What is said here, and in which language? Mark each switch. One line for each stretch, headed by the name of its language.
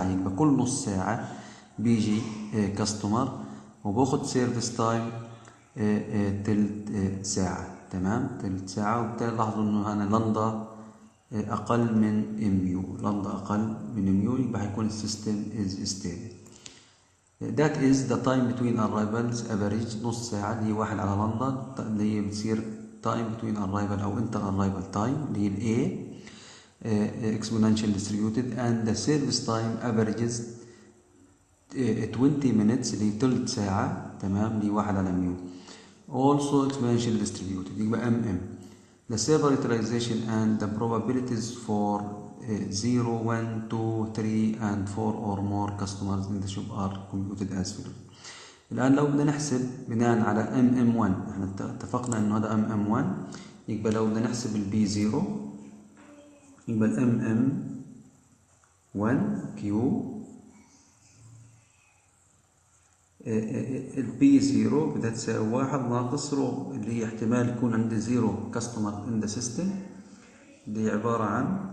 Arabic: يبقى كل نص ساعة بيجي كاستمر وباخد سيرفيس تايم تلت ساعة. تمام تلت ساعة. وبالتالي لاحظوا إنه أنا لندا أقل من ميو لندا أقل من ميو يبقى هيكون السيستم
English: is stable. That is the time between arrivals average نص ساعة اللي هي 1 على لندا اللي هي بتصير time between arrival أو inter arrival time اللي هي A exponential distributed and the service time averages 20 minutes اللي هي تلت ساعة.
Arabic: تمام اللي هي 1 على ميو
English: also exponential distributed
Arabic: يبقى mm.
English: The server utilization and the probabilities for 0, 1, 2, 3 and 4 or more customers in the shop are computed as follows.
Arabic: الآن لو بدنا نحسب بناء على MM1 احنا اتفقنا انه هذا MM1 يبقى لو بدنا نحسب ال B0 يبقى ال MM1Q ال بي 0 بدها تساوي 1 ناقص رو اللي هي احتمال يكون عندي 0
English: customer in the system
Arabic: اللي هي عباره عن